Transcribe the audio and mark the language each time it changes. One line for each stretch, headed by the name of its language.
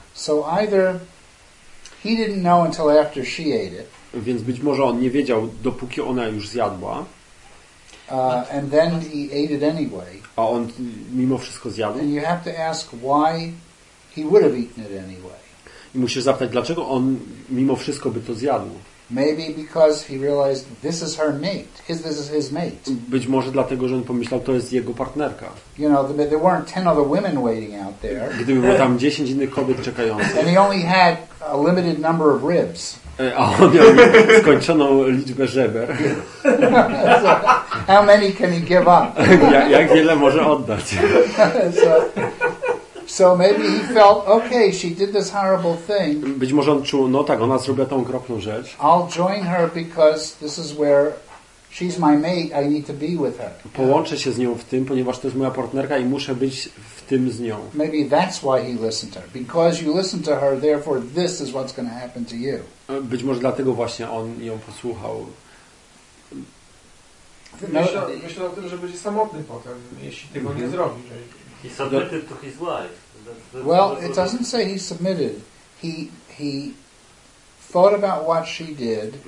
English: So either he didn't know until after she ate it.
Polish: Więc być może on nie wiedział, dopóki ona już zjadła.
English: And then he ate it anyway.
Polish: A on mimo wszystko zjadł.
English: And you have to ask why he would have eaten it anyway.
Polish: I musisz zapytać, dlaczego on mimo wszystko by to zjadł.
English: Maybe because he realized this is her mate. This is his mate.
Polish: Być może dlatego, że on pomyślał, to jest jego partnerka.
English: You know, there weren't 10 other women waiting out there.
Polish: Gdyby było tam 10 innych kobiet czekających.
English: And he only had a limited number of ribs.
Polish: A on miał skończoną liczbę żeber.
English: So, how many can he give up?
Polish: Jak wiele może oddać?
English: So maybe he felt, okay, she did this horrible thing.
Polish: Być może on czuł, no tak, ona zrobiła tą okropną rzecz.
English: I'll join her because this is where she's my mate, I need to be with her.
Polish: Połączę się z nią w tym, ponieważ to jest moja partnerka i muszę być w tym z nią.
English: Maybe that's why he listened to her. Because you listen to her, therefore this is what's going to happen to you.
Polish: Być może dlatego właśnie on ją posłuchał. Myślał o tym, że będzie samotny potem, jeśli tego nie zrobi.
English: He submitted to his wife. Well, it doesn't say he submitted. He thought about what she did.